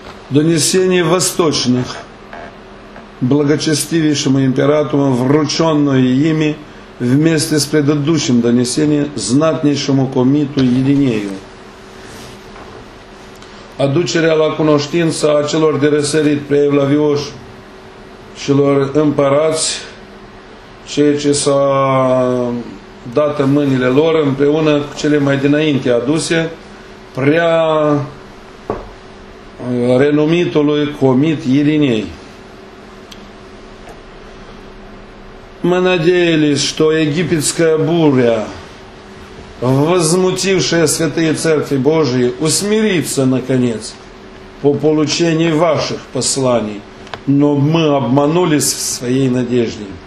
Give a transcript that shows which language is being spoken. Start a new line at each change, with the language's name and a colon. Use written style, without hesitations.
Russian: Донесение восточных благочестивейшему императору, врученное ими вместе с предыдущим донесением знатнейшему комиту Иринею.
Romanian: Aducerea la cunoștință a celor de răsărit pre evlavioși și lor împărați, ceea ce s-a dat în mâinile lor împreună cu cele mai dinainte aduse prea renumitului comit Ириней.
Russian: Мы надеялись, что египетская буря, возмутившая святые церкви Божии, усмирится наконец по получении ваших посланий, но мы обманулись в своей надежде.